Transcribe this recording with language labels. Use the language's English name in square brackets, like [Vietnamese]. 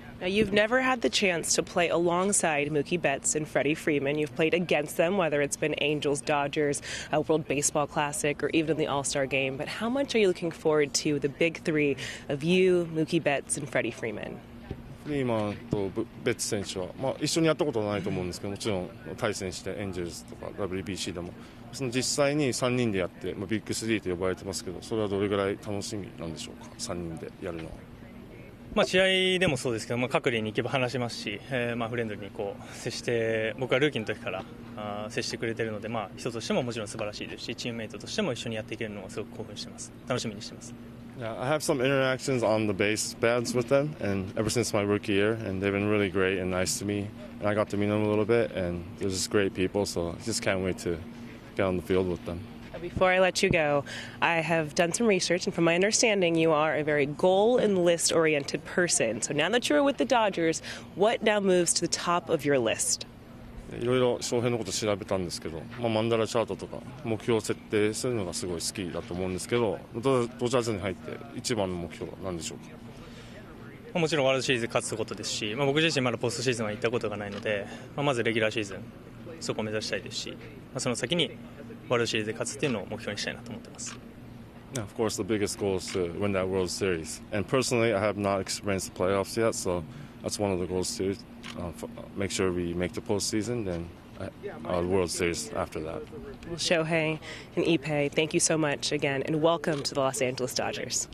[English] Now, you've never had the chance to play alongside Mookie Betts and Freddie Freeman. You've played against them, whether it's been Angels, Dodgers, World Baseball Classic, or even in the All-Star Game. But how much are you looking forward to the big three of you, Mookie Betts, and Freddie Freeman? [Japanese] フリーマンとベッツ選手は、まあ、一緒にやったことはないと思うんですけど、もちろん対戦してエンジェルズとか WBC でも、その実際に3人でやって、まあ、ビッグスリーと呼ばれてますけど、それはどれぐらい楽しみなんでしょうか、3人でやるのは。まあ、試合でもそうですけど、まあ、隔離に行けば話しますし、まあ、フレンドリーにこう接して、僕はルーキーの時から接してくれているので、まあ、人としてももちろん素晴らしいですし、チームメイトとしても一緒にやっていけるのはすごく興奮してます、楽しみにしてます。 [English] Yeah, I have some interactions on the base paths with them, and ever since my rookie year, and they've been really great and nice to me. And I got to meet them a little bit, and they're just great people, so I just can't wait to get on the field with them. Before I let you go, I have done some research, and from my understanding, you are a very goal and list-oriented person. So now that you're with the Dodgers, what now moves to the top of your list? [Japanese] いろいろ翔平のこと調べたんですけど、まあ、マンダラチャートとか目標設定するのがすごい好きだと思うんですけど、ドジャースに入って一番の目標は何でしょうか？もちろんワールドシリーズ勝つことですし、まあ、僕自身まだポストシーズンは行ったことがないので、まあ、まずレギュラーシーズンそこを目指したいですし、まあ、その先にワールドシリーズで勝つっていうのを目標にしたいなと思ってます。 [English] Of course, the biggest goal is to win that World Series. And personally, I have not experienced the playoffs yet, so that's one of the goals too. Make sure we make the postseason, then the World Series after that. Shohei and Ippei, thank you so much again, and welcome to the Los Angeles Dodgers.